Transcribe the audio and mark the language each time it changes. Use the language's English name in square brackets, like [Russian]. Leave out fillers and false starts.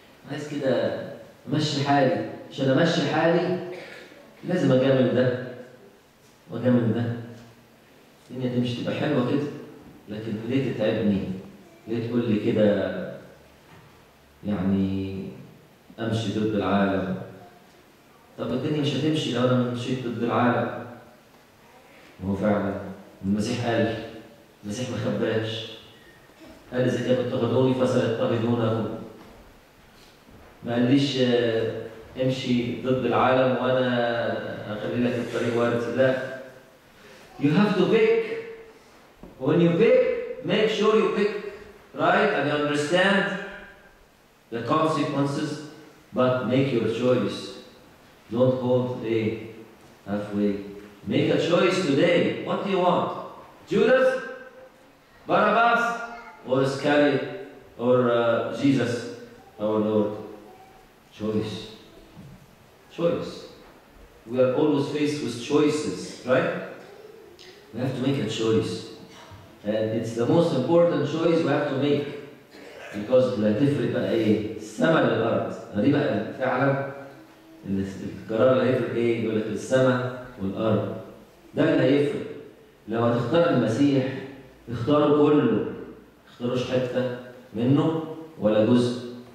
[Arabic] عايز كده امشي حالي عشان امشي حالي لازم اجامل ده واجامل ده الدنيا تمشي تبقى حلوه كده لكن ليه تتعبني؟ ليه تقول لي كده يعني امشي ضد العالم؟ طب الدنيا مش هتمشي لو انا مشيت ضد العالم. هو فعلا المسيح قال، المسيح ما خباش، قال اذا كانوا اضطهدوني فسيضطهدونكم. ما قاليش امشي ضد العالم وانا اخلي لك الطريق وارد. [English] لا، you have to pick. When you pick, make sure you pick right and you understand the consequences, but make your choice. Don't hold a halfway. Make a choice today. What do you want? Judas, Barabbas, or Iscariot, or Jesus, our Lord? Choice. We are always faced with choices, right? We have to make a choice. And it's the most important choice we have to make. [Arabic] Because لا تفرق بقى ايه؟ السماء للأرض. هذه بقى فعلا القرار لا يفرق ايه؟ يقول لك السماء والأرض. ده اللي هيفرق. لو هتختار المسيح اختاره كله. اختاروش حتة منه ولا جزء.